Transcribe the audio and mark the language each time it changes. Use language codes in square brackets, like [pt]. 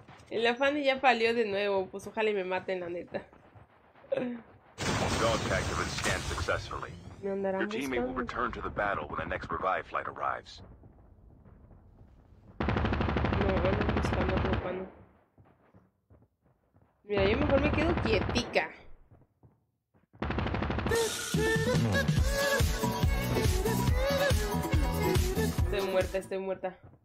[es] El afán ya palió de nuevo. Pues ojalá y me maten, la neta. [en] Dog tags have been scanned successfully. [es] ¿Me andarán buscando? [en] Your teammate will return to the battle when the next revive flight arrives. [es] No, van buscando otro pano. Mira, yo mejor me quedo quietica. Estoy muerta.